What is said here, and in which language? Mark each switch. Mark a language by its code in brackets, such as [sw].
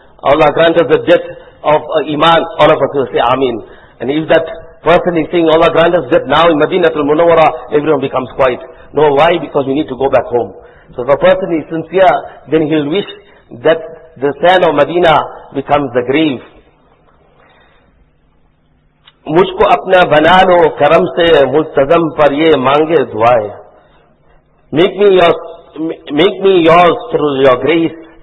[en] Allah grant us the death of Iman, all of us will say Ameen. And if that person is saying, Allah grant us death now in Madinatul Munawwarah, everyone becomes quiet. No, why? Because we need to go back home. So if a person is sincere, then he'll wish that the sand of Medina becomes the grave. [ur] مجھ کو اپنا بنا لو کرم سے ملتزم پر یہ مانگے دعائیں. [en] Make me yours through your grace.